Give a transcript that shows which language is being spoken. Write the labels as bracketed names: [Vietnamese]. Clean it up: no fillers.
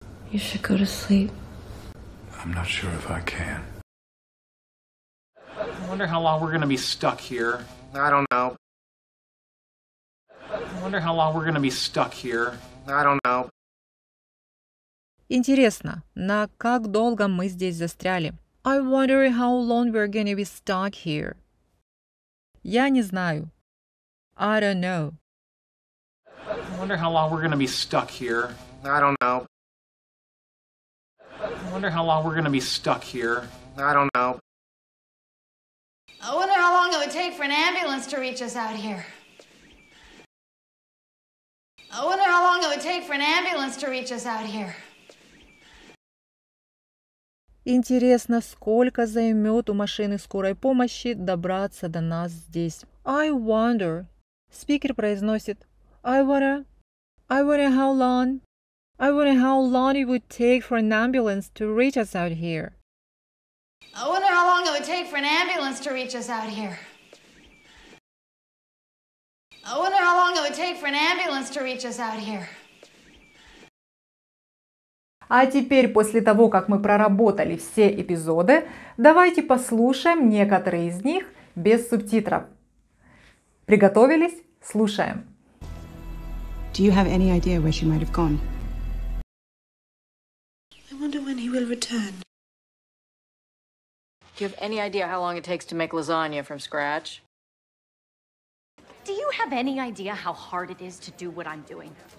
[English] You should go to sleep. I'm not sure if I can. I wonder how long we're going to be stuck here. I don't know. I wonder how long we're going to be stuck here. I don't know. [Russian] Интересно, на как долго мы здесь застряли? [English] I wonder how long we're gonna be stuck here. [Russian] Я не знаю. [English] I don't know. I wonder how long we're gonna be stuck here. I don't know. I wonder how long we're gonna be stuck here. I don't know. I wonder how long it would take for an ambulance to reach us out here. I wonder how long it would take for an ambulance to reach us out here. [Russian] Интересно, сколько займет у машины скорой помощи добраться до нас здесь? [English] I wonder. Спикер произносит I wonder. I wonder how long. I wonder how long it would take for an ambulance to reach us out here. I wonder how long it would take for an ambulance to reach us out here. I wonder how long it would take for an ambulance to reach us out here. [Russian] А теперь, после того, как мы проработали все эпизоды, давайте послушаем некоторые из них без субтитров. Приготовились? Слушаем. [English] Do you have any idea where she might have gone? I wonder when he will return. Do you have any idea how long it takes to make lasagna from scratch? Do you have any idea how hard it is to do what I'm doing?